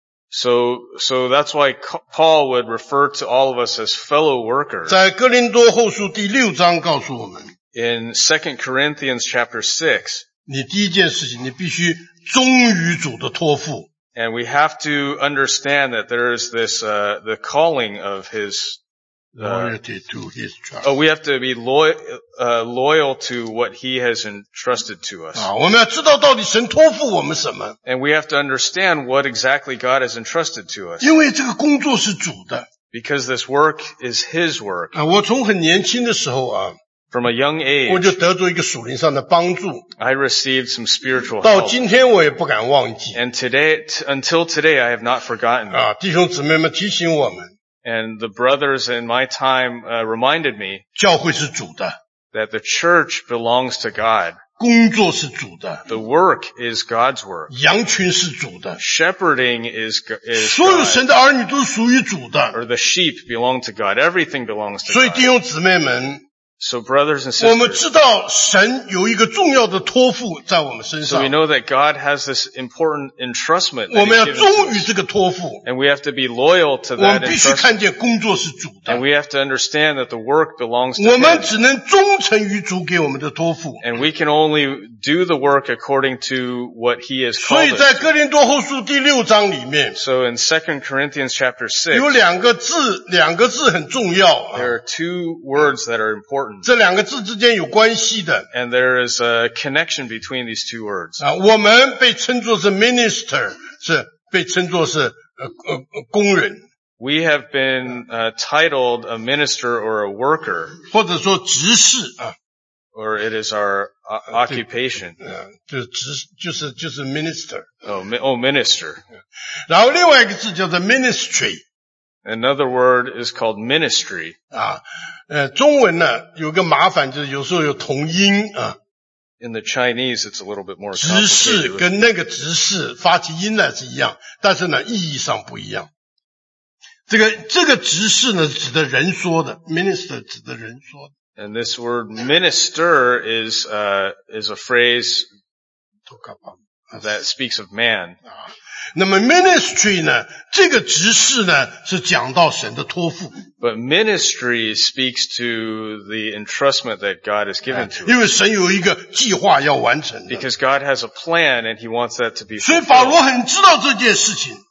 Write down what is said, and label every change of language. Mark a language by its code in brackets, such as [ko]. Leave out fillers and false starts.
[en] So that's why Paul would refer to all of us as fellow workers. [zh] 在哥林多后书第六章告诉我们。 [en] In 2 Corinthians chapter 6. [zh] 你第一件事情你必须忠于主的托付。 [en] And we have to understand that there is this, the calling of his loyalty to his trust. Oh, we have to be loyal to what he has entrusted to us. [zh] 我们要知道到底神托付我们什么。 [en] And we have to understand what exactly God has entrusted to us. [zh] 因为这个工作是主的。 [en] Because this work is his work. [zh] 我从很年轻的时候啊。 [en] From a young age. [zh] 我就得到一个属灵上的帮助。 [en] I received some spiritual help. [zh] 到今天我也不敢忘记。 [en] And today, until today, I have not forgotten. [zh] 弟兄姊妹们提醒我们。 [en] And the brothers in my time, reminded me [zh] 教会是主的。 [en] That the church belongs to God. [zh] 工作是主的。 [en] The work is God's work. [zh] 羊群是主的。 [en] Shepherding is [zh] 所有神的儿女都属于主的。 [en] Or the sheep belong to God. Everything belongs to God. [zh] 所以弟兄姊妹们。 [en] So brothers and sisters, [zh] 我们知道神有一个重要的托付在我们身上。 [en] So we know that God has this important entrustment. [zh] 我们要忠于这个托付。 [en] And we have to be loyal to that entrustment. [zh] 我们必须看见工作是主的。 [en] And we have to understand that the work belongs to [zh] God. 我们只能忠诚于主给我们的托付。 [en] And we can only do the work according to what he has called us. [zh] 所以在哥林多后书第六章里面。 [en] So in 2 Corinthians chapter 6. [zh] 有两个字很重要。 [en] There are two words that are important. [zh] 这两个字之间有关系的。 [en] And there is a connection between these two words. [zh] 我们被称作是 minister, 是被称作是工人。 [en] We have been titled a minister or a worker. [zh] 或者说执事。 [en] Or it is our occupation. [zh] 就是 minister. [en] Minister. [zh] 然后另外一个字叫做 ministry。 [en] Another word is called ministry. [zh] 中文呢有个麻烦就是有时候有同音啊。 [en] In the Chinese, it's a little bit more complicated. [zh] 执事跟那个执事发起音来是一样，但是呢意义上不一样。这个执事呢指的人说的 ,minister 指的人说的。 [en] And this word minister is a phrase that speaks of man. [zh] 那么 ministry 呢这个执事呢是讲到神的托付。 [en] But ministry speaks to the entrustment that God has given to us. [zh] 因为神有一个计划要完成的。 [en] Because God has a plan and he wants that to be fulfilled. [zh] 所以保罗很知道这件事情。